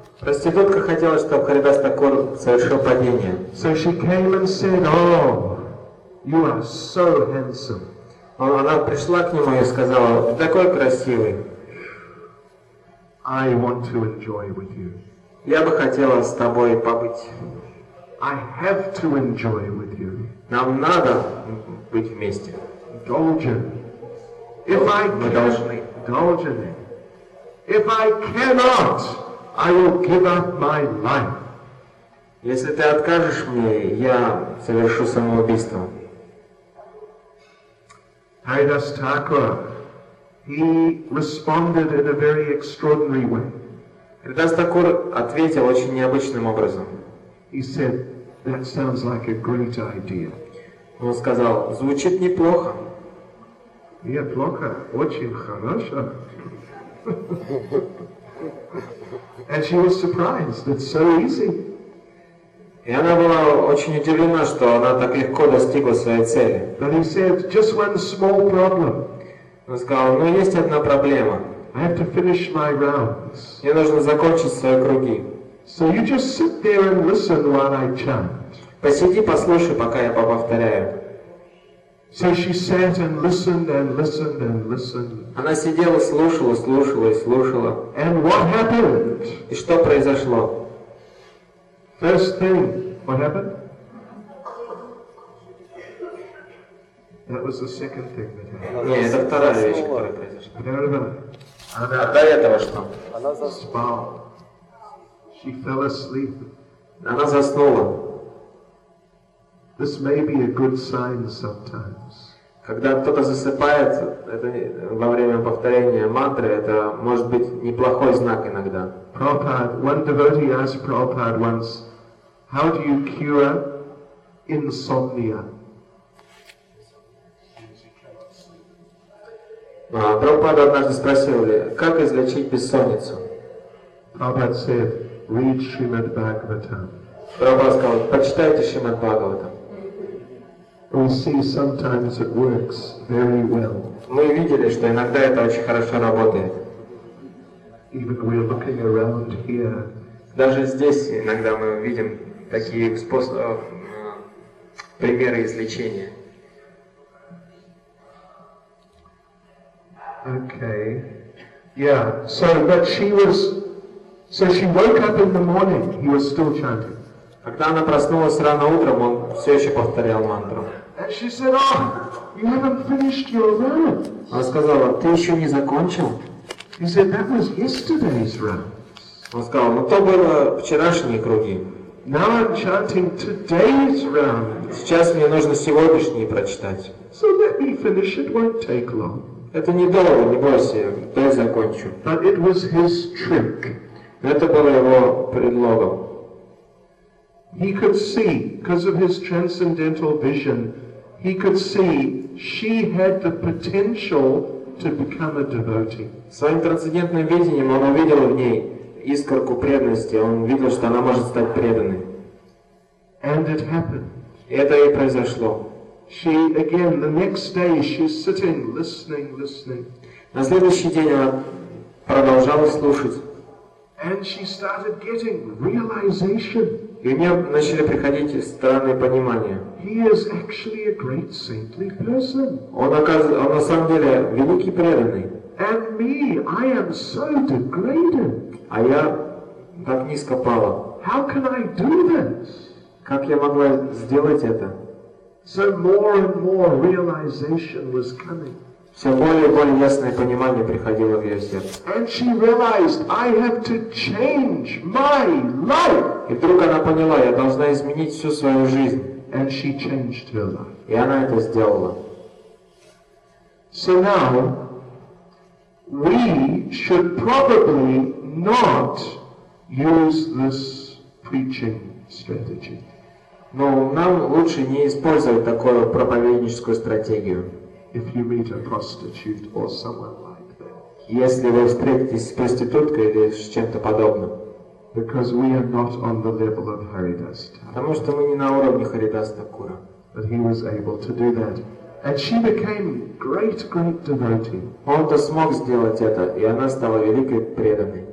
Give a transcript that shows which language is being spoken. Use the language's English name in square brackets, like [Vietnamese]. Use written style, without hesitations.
[Russian] Проститутка хотела, чтобы Харидас Такур совершил падение. [English] So she came and said, "Oh, you are so handsome." [Russian] Она пришла к нему и сказала: "Ты такой красивый." [English] I want to enjoy with you. [Russian] Я бы хотела с тобой побыть. [English] I have to enjoy with you. [Russian] Нам надо быть вместе. [English] Indulgent. If I can. Indulgence. If I cannot, I will give up my life. [Russian] Если ты откажешь мне, я совершу самоубийство. [English] Haridas Thakur, he responded in a very extraordinary way. [Russian] Haridas Thakur ответил очень необычным образом. [English] He said, "That sounds like a great idea." [Russian] Он сказал, звучит неплохо. Нет, плохо, очень хорошо. [English] And she was surprised. It's so easy. [Russian] И она была очень удивлена, что она так легко достигла своей цели. [English] But he said, just one small problem. [Russian] Он сказал, ну есть одна проблема. [English] I have to finish my rounds. [Russian] Мне нужно закончить свои круги. [English] So you just sit there and listen while I chant. [Russian] Посиди, послушай, пока я повторяю. [English] So she sat and listened and listened and listened. [Russian] Она сидела, слушала, слушала и слушала. [English] And what happened? [Russian] И что произошло? [English] First thing, what happened? That was the second thing that happened. [Russian] Нет, это вторая вещь, которая произошла. А до этого что? Она заснула. [English] She fell asleep. [Russian] Она заснула. [English] This may be a good sign sometimes. [Russian] Когда кто-то засыпает, это во время повторения мантры, это может быть неплохой знак иногда. [English] Prabhupada, one devotee asked Prabhupada once, how do you cure insomnia? [Russian] Прабхупада однажды спросил, как излечить бессонницу? [English] Prabhupada said, read Srimad Bhagavatam. [Russian] Прабхупада сказал, почитайте Шримад Бхагаватам. [English] We see sometimes it works very well. [Russian] Мы видели, что иногда это очень хорошо работает. [English] Even we're looking around here. [Russian] Даже здесь иногда мы видим такие способы, примеры излечения. [English] Okay. Yeah. So she woke up in the morning. He was still chanting. [Russian] Когда она проснулась рано утром, он все еще повторял мантру. [English] And she said, "Oh, you haven't finished your round." [Russian] Она сказала, ты еще не закончил. [English] He said, "That was yesterday's round." [Russian] Он сказал, ну то было вчерашние круги. [English] Now I'm chanting today's round. [Russian] Сейчас мне нужно сегодняшние прочитать. [English] So let me finish. It won't take long. [Russian] Это недолго, не бойся, дай закончу. [English] But it was his trick. [Russian] Это было его предлогом. [English] He could see, because of his transcendental vision, he could see she had the potential to become a devotee. [Russian] Своим трансцендентным видением он увидел в ней искорку преданности. Он видел, что она может стать преданной. [English] And it happened. [Russian] Это и произошло. [English] She again the next day she's sitting listening. [Russian] На следующий день она продолжала слушать. [English] And she started getting realization. [Russian] И у нее начали приходить странные понимания. [English] He is actually a great saintly person. [Russian] Он на самом деле великий преданный. [English] And me, I am so degraded. [Russian] А я так низко пала. [English] How can I do this? [Russian] Как я могла сделать это? [English] So more and more realization was coming. [Russian] Все более и более ясное понимание приходило в ее сердце. [English] And she realized, I have to change my life. [Russian] И вдруг она поняла, я должна изменить всю свою жизнь. [English] And she changed her life. [Russian] И она это сделала. [English] So now, we should probably not use this preaching strategy. [Russian] Но нам лучше не использовать такую проповедническую стратегию. [English] If you meet a prostitute or someone like that. [Russian] Если вы встретитесь с проституткой или с чем-то подобным. [English] Because we are not on the level of Haridas. [Russian] Потому что мы не на уровне Харидас Такура. [English] But he was able to do that, and she became great devotee. [Russian] Он-то смог сделать это, и она стала великой преданной.